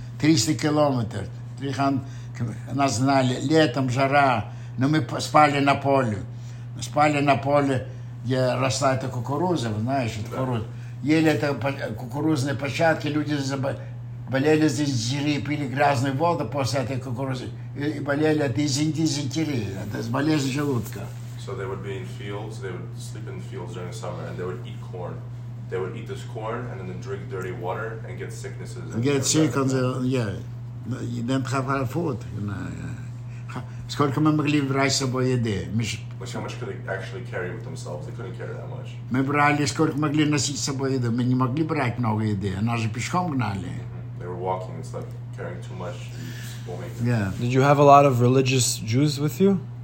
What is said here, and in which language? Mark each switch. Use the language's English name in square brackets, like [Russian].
[Russian] 300 километров. 300, нас знали, летом жара, но мы спали на поле. Спали на поле, где росла эта кукуруза, знаешь, это кукуруза. Ели это кукурузные початки, люди болели с дизентерией, пили грязную воду после этой кукурузы и болели от дизентерии, это болезнь желудка. [English] So they would be in fields, they would sleep in fields during the summer, and they would eat corn. They would eat this corn and then drink dirty water and get sicknesses. And get sick on the, yeah. You didn't have our food, you know. [Russian] Сколько мы могли брать с собой еды? [English] How much could they actually carry with themselves? They couldn't carry that much. [Russian] Мы брали сколько могли носить с собой еды. Мы не могли брать много еды. Нас же пешком гнали. [English] They were walking. It's like carrying too much. Yeah. Did you have a lot of religious Jews with you?